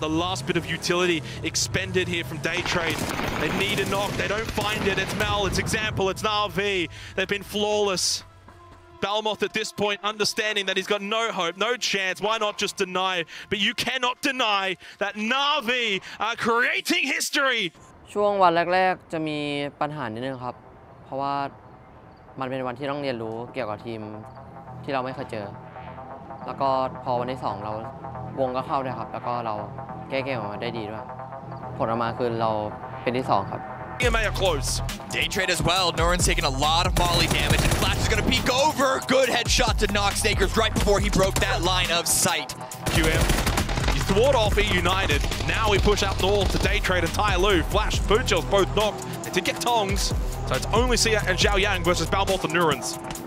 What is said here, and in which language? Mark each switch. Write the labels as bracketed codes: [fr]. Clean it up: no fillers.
[en] The last bit of utility expended here from Daytrade. They need a knock. They don't find it. It's Mal, it's Example, it's Na'Vi. They've been flawless. Balmoth at this point understanding that he's got no hope, no chance. Why not just deny? But you cannot deny that Na'Vi are creating history. [th] ช่วงวันแรกๆจะมีปัญหานิดนึงครับเพราะว่ามันเป็นวันที่ต้องเรียนรู้เกี่ยวกับทีมที่เราไม่เคยเจอแล้วก็พอวันที่2เราวงก็เข้าด้วยครับแล้วก็เราแก้เกมออกมาได้ดีด้วยผลออกมาคือเราเป็นที่2ครับ [en] MA are close. Daytrade as well. Norin's taking a lot of molly damage. And Flash is going to peek over. Good headshot to Nox Akers right before he broke that line of sight. QM. He's thwarted off E United. Now we push out north to Daytrade and Tai Lu. Flash, Boochels both knocked. They did get Tongs. So it's only Sia and Zhao Yang versus Balmoth and Norin's.